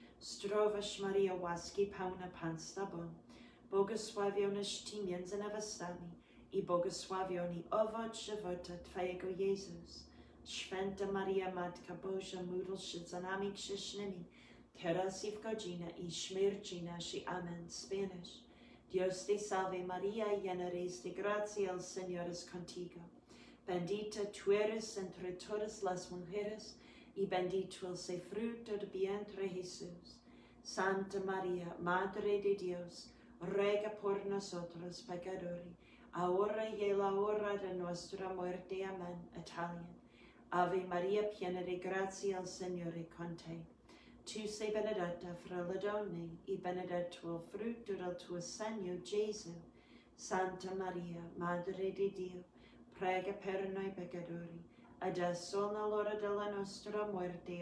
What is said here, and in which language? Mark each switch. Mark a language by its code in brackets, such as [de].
[pl] Zdrowaś Maria, łaski pełna Pan s tobą, błogosławionaś ty między niewiastami, I błogosławiony owoc żywota twojego, Jezus. Święta Maria, Matka Boża, módl się za nami grzesznymi, teraz i w godzinę i śmierci naszej. [en] Amen. Spanish. [es] Dios te salve Maria, llena eres de gracia, el Señor es contigo. Bendita tú eres entre todas las mujeres, y bendito es el fruto de vientre Jesús. Santa Maria, Madre de Dios, ruega por nosotros pecadores, ahora y en la hora de nuestra muerte. [en] Amen. Italian. [it] Ave Maria, piena di grazia, il Signore con te. Tu sei benedetta fra le donne, e benedetto il frutto del tuo seno, Gesù. Santa Maria, Madre di Dio, prega per noi peccatori, adesso nell'ora della nostra morte.